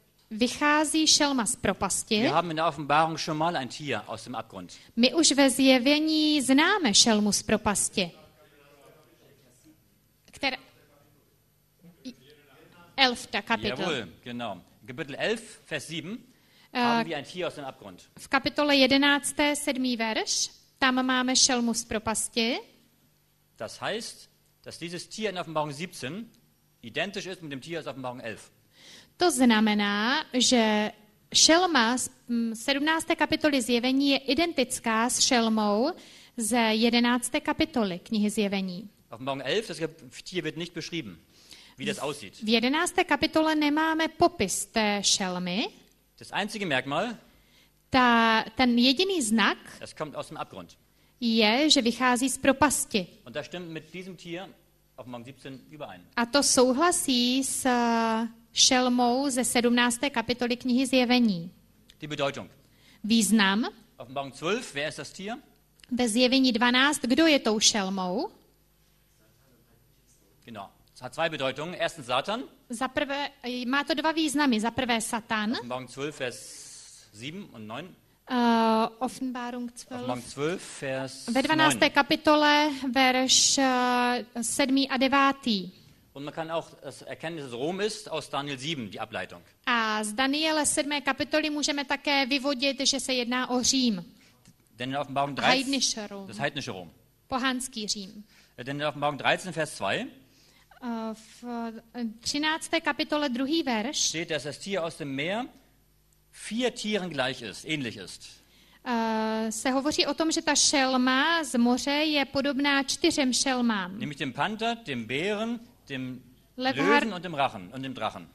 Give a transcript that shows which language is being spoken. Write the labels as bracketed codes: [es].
[cs] Vychází šelma z propasti. [de] Wir haben in der Offenbarung schon mal ein Tier aus dem Abgrund. [cs] My už ve zjevení známe šelmu z propasti. Která? Elfta kapitola. [de] Jawohl, genau. Kapitel 11, Vers 7. Haben wir ein Tier aus dem Abgrund. [cs] V kapitole 11. 7. verš. Tam máme šelmu z propasti. [de] Das heißt, dass dieses Tier in Offenbarung 17 identisch ist mit dem Tier aus Offenbarung 11. [cs] To znamená, že šelma z 17. kapitoly Zjevení je identická s šelmou z 11. kapitoly knihy Zjevení. [de] Offenbarung 11, das Tier wird nicht beschrieben, wie das aussieht. [cs] V 11. kapitole nemáme popis té šelmy. [de] Das einzige Merkmal, [cs] ten jediný znak, [de] das kommt aus dem Abgrund. [cs] Je, že vychází z propasti. [de] Und das stimmt mit diesem Tier Offenbarung 17 überein. [cs] A to souhlasí s šelmou ze 17. kapitoly knihy Zjevení. [de] Die Bedeutung. [cs] Význam. [de] Offenbarung 12, wer ist das Tier? [cs] Ve Zjevení 12, kdo je tou šelmou? [de] Genau. Es hat zwei Bedeutungen. Erstens Satan. [cs] Za prvé, má to dva významy. Za prvé Satan. [de] Offenbarung 12, Vers 7 und 9. Offenbarung 12. Offenbarung 12, Vers 9. [cs] Ve 12. kapitole, verš 7 a 9. [de] Und man kann auch das erkennen, dass es Rom ist, aus Daniel 7, die Ableitung. [cs] A z Daniele 7. kapitoly můžeme také vyvodit, že se jedná o Řím. [de] Denn in Offenbarung 13, heidnische Rom. Das heidnische Rom. [cs] Pohanský Řím. [de] Denn in Offenbarung 13, Vers 2. [cs] V 13. kapitole druhý verš. [de] Steht, dass das Tier aus dem Meer vier Tieren gleich ist, ähnlich ist. [cs] Se hovoří o tom, že ta šelma z moře je podobná čtyřem šelmám. [de] Nämlich dem Panther, dem Bären, dem Löwen und dem Rachen und dem Drachen.